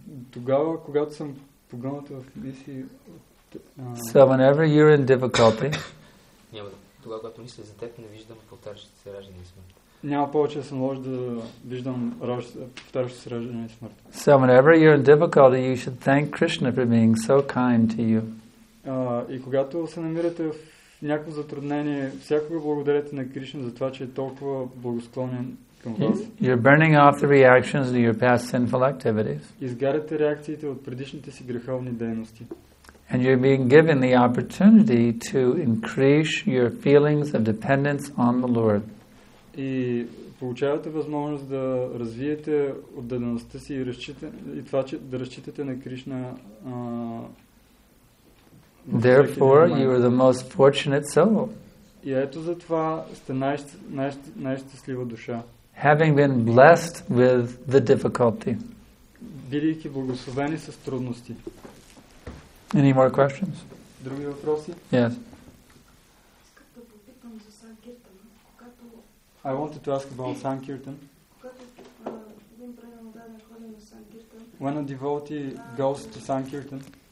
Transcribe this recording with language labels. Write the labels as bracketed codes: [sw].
[bg] Тогава, когато съм погълната в мисли, [en] so whenever you're in difficulty, [bg] тогава, когато мисля за теб, не виждам повтарящите се раждане и смърт. Няма повече да съм лош да виждам повтарящите се раждане и смърт. [en] So whenever you're in difficulty, you should thank Krishna for being so kind to you. [bg] И когато се намирате в някакво затруднение, всякога благодарете на Кришна за това, че е толкова благосклонен. [en] You're burning off the reactions to your past sinful activities. [bg] Изгаряте реакциите от предишните си греховни дейности. [en] And you're being given the opportunity to increase your feelings of dependence on the Lord. [bg] И получавате възможност да развиете отдадеността си и това, че да разчитате на Кришна. [en] Therefore, you are the most fortunate soul. [bg] И ето затова сте най-щастлива душа. [en] Having been blessed with the difficulty. [bg] Бидейки благословени с трудности. [en] Any more questions? [bg] Други въпроси? [en] Yes. [bg] Искам да попитам за Санкиртан. Когато... [en] I wanted to ask about Санкиртан. [bg] Когато един правилно даден ходи на Санкиртан. [en] When a devotee goes to Санкиртан.